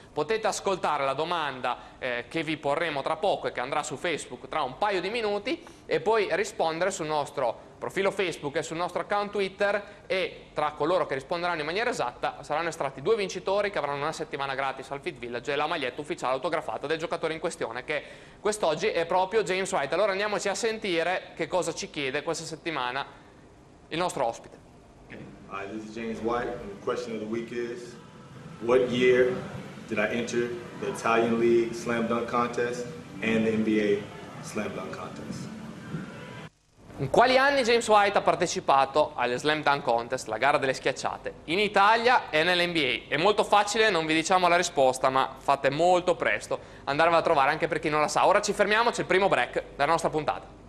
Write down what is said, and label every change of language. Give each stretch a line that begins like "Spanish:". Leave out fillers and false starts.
Italian: Potete ascoltare la domanda che vi porremo tra poco e che andrà su Facebook tra un paio di minuti e poi rispondere sul nostro profilo Facebook e sul nostro account Twitter, e tra coloro che risponderanno in maniera esatta saranno estratti due vincitori che avranno una settimana gratis al Fit Village e la maglietta ufficiale autografata del giocatore in questione, che quest'oggi è proprio James White. Allora andiamoci a sentire che cosa ci chiede questa settimana il nostro ospite.
English: Hi, this is James White, and the question of the week is, what year did I enter the Italian League Slam Dunk Contest and the NBA Slam Dunk Contest?
Italian: In quali anni James White ha partecipato alle Slam Dunk Contest, la gara delle schiacciate, in Italia e nell'NBA? È molto facile, non vi diciamo la risposta, ma fate molto presto andarvela a trovare, anche per chi non la sa. Ora ci fermiamo, c'è il primo break della nostra puntata.